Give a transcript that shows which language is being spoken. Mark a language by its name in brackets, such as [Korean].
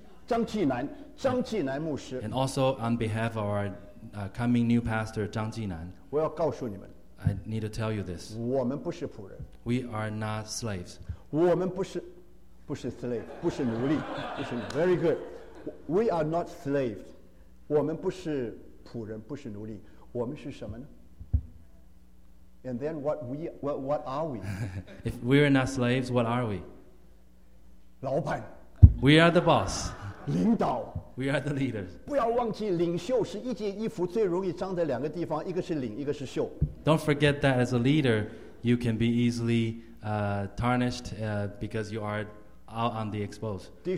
[Chinese] 我今天也代表张继南牧师。 [English] And also on behalf of our coming new pastor, 张继南。 [Chinese] 我要告诉你们。 [English] I need to tell you this. [Chinese] 我们不是仆人。 [English] We are not slaves. [Chinese] 我们不是slave,不是奴隶,不是奴隶。 [English] Very good. We are not slaves. [Chinese] 我们不是仆人,不是奴隶。我们是什么呢? [English] And then what are we? If we are not slaves, what are we? [Chinese] 老板. [English] We are the boss. [Chinese] 领导. [English] We are the leaders. [Chinese] 不要忘记领袖是一件衣服最容易脏的两个地方,一个是领,一个是袖。 [English] Don't forget that as a leader, you can be easily tarnished because you are out on the exposed.